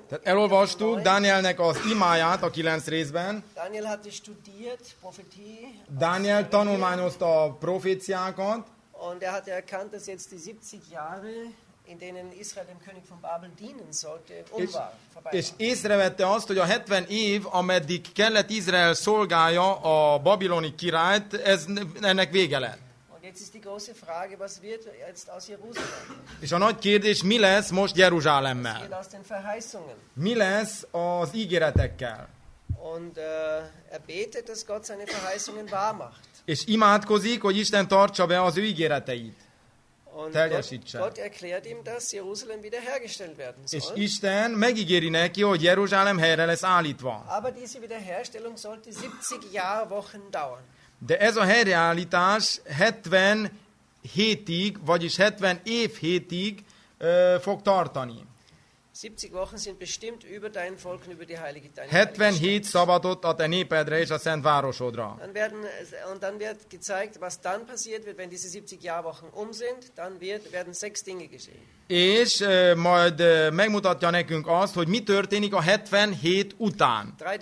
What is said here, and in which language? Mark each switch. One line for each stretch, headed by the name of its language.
Hungarian: Tehát elolvastuk Danielnek az imáját a 9 részben.
German: Daniel hatte studiert Prophetie.
Hungarian: Daniel tanulmányozta a proféciákat.
German: Und er hatte erkannt, dass jetzt die 70 Jahre, in denen Israel dem König von Babel dienen sollte,
Hungarian: és észrevette azt, hogy a 70 év, ameddig kellett Izrael szolgálja a babiloni királyt, ennek vége lett.
German: Und jetzt ist die große Frage, was wird jetzt aus Jerusalem?
Hungarian: És a nagy kérdés, mi lesz most Jeruzsálemmel?
German: Was wird aus den Verheißungen?
Hungarian: Mi lesz az ígéretekkel?
German: Und er betet, dass Gott seine Verheißungen wahr macht.
Hungarian: És imádkozik, hogy Isten tartsa be az ő ígéreteit. Teljesítse.
German: Gott erklärt ihm, dass Jerusalem wiederhergestellt werden soll.
Hungarian: És Isten megígéri neki, hogy Jeruzsálem helyre lesz állítva.
German: Aber diese Wiederherstellung sollte 70 Jahrwochen dauern.
Hungarian: De ez a helyreállítás 70 hétig, vagyis 70 év hétig fog tartani.
German: 70 Wochen sind bestimmt über dein Volk und über die heilige Stadt.
Hungarian: 77 szabadott a te népedre és a szent városodra.
German: Und dann wird gezeigt, was dann passiert wird, wenn diese 70 Jahrwochen um sind, dann werden 6 Dinge geschehen.
Hungarian: És majd megmutatja nekünk azt, hogy mi történik a 77 után.